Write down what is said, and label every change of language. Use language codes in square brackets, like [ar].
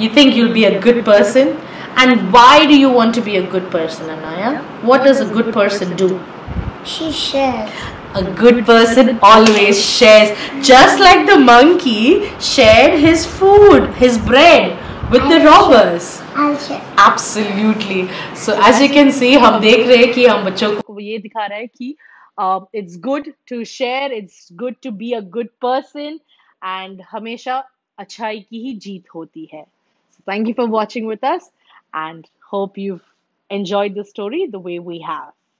[en] You think you'll be a good person? And why do you want to be a good person, Anaya? Yeah. What does a good person do? She shares. A good person always shares. Just like the monkey shared his food, his bread with the robbers. Absolutely. So as you can see, [hi] हम देख रहे हैं कि हम बच्चों को ये दिखा रहे हैं कि [en] it's good to share, it's good to be a good person, and [hi] हमेशा अच्छाई की ही जीत होती है. [en] So thank you for watching with us. And hope you've enjoyed the story the way we have.